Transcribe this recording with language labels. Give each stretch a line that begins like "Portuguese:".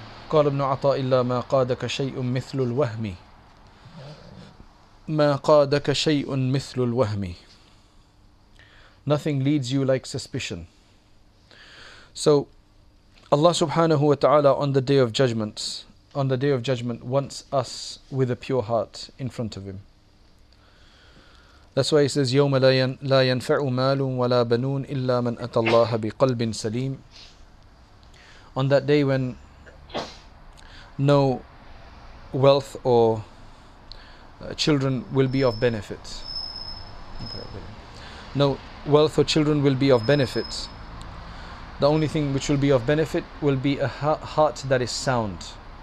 Arabic: قال ابن عطاء إلا ما قادك شيء مثل الوهم ما قادك شيء مثل الوهم.
English: Nothing leads you like suspicion. So Allah subhanahu wa ta'ala on the day of judgment wants us with a pure heart in front of him. That's why he says
Arabic: يوم لا ينفع مال ولا بنون إلا من أتى الله بقلب سليم.
English: On that day when no wealth or children will be of benefit. No wealth or children will be of benefit. The only thing which will be of benefit will be a heart that is sound.